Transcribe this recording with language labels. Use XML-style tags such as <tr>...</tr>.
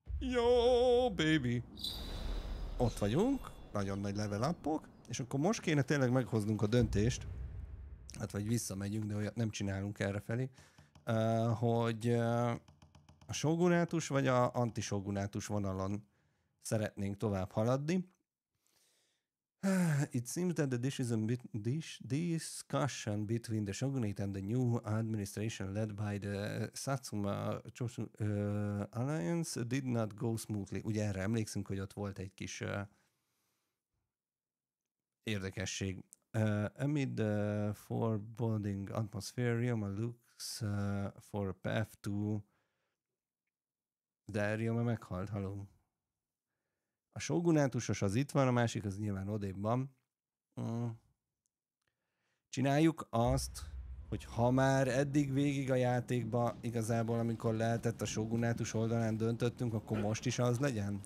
<hu>Jó, baby! Ott vagyunk, nagyon nagy level up-ok, és akkor most kéne tényleg meghoznunk a döntést, hát vagy visszamegyünk, de olyat nem csinálunk errefelé, hogy a shogunátus vagy a anti-shogunátus vonalon szeretnénk tovább haladni.</hu> <en>It seems that the decision discussion between the shogunate and the new administration led by the Satsuma Choshu Alliance did not go smoothly.</en> <hu>Ugye erre emlékszünk, hogy ott volt egy kis érdekesség.</hu> <en>Amid the foreboding atmosphere, Ryoma looks for a path to...</en> <hu>De Ryoma meghalt, halló. A shogunátusos az itt van, a másik az nyilván odébb van. Csináljuk azt, hogy ha már eddig végig a játékban igazából, amikor lehetett a shogunátus oldalán döntöttünk, akkor most is az legyen?</hu>